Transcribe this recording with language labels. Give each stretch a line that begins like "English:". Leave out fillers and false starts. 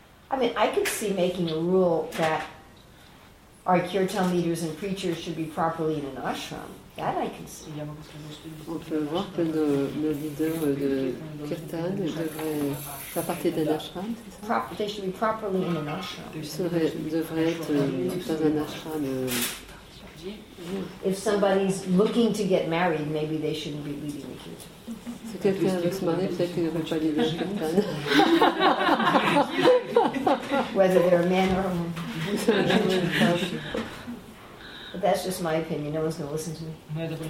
English: I mean, I could see making a rule that our kirtan leaders and preachers should be properly in an ashram. That I can see.
French: On peut voir que nos leaders de kirtan devraient faire partie d'un ashram.
English: They should be properly in an ashram.
French: Ils devraient être dans un ashram.
English: If somebody's looking to get married, maybe they shouldn't be leading the kirtan.
French: Si quelqu'un veut se marier, peut-être qu'il ne veut pas leader le kirtan.
English: Whether they're a man or a woman. But that's just my opinion. No one's going to listen to me.